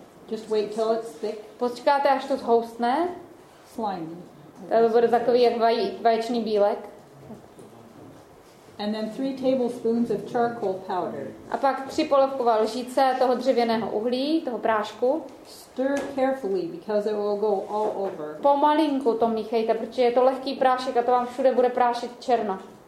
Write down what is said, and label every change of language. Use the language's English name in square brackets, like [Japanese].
[English] Just wait till it's thick. [Czech] Počkáte, až to zhoustne. [English] Slimy. [Czech] To bude takový jak vaječný bílek. [English] And then 3 tablespoons of charcoal powder. [Czech] A pak 3 polévkové lžíce toho dřevěného uhlí, toho prášku. [English] Stir carefully because it will go all over. [Czech] Pomalinku to míchejte, protože je to lehký prášek a to vám všude bude prášit černo.